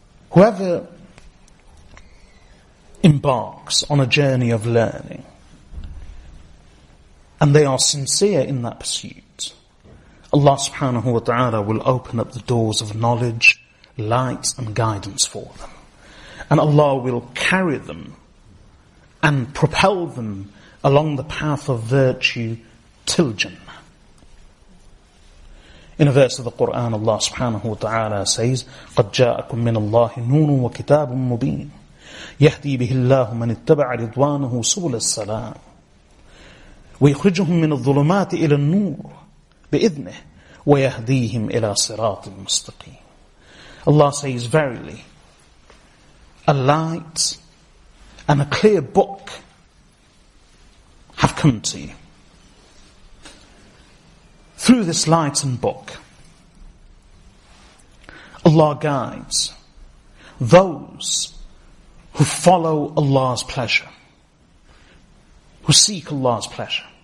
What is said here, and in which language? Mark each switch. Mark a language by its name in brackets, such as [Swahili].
[English] Whoever embarks on a journey of learning and they are sincere in that pursuit, Allah subhanahu wa ta'ala will open up the doors of knowledge, light and guidance for them. And Allah will carry them and propel them along the path of virtue till Jannah. In a verse of the Quran, Allah subhanahu wa ta'ala says, [Arabic] قَدْ جَاءَكُمْ مِنَ اللَّهِ نُونٌ وَكِتَابٌ مُبِينٌ يَهْدِي بِهِ اللَّهُ مَنِ اتَّبَعَ رِضْوَانُهُ سُبُلَ السَّلَامِ وَيُخْرِجُهُمْ مِنَ الظُّلُمَاتِ إِلَى النُّورِ بِإِذْنِهِ وَيَهْدِيهِمْ إِلَى صِرَاطٍ مُسْتَقِيمٍ. [English] Allah says, verily, a light and a clear book have come to you. Through this light and book, Allah guides those who follow Allah's pleasure, who seek Allah's pleasure.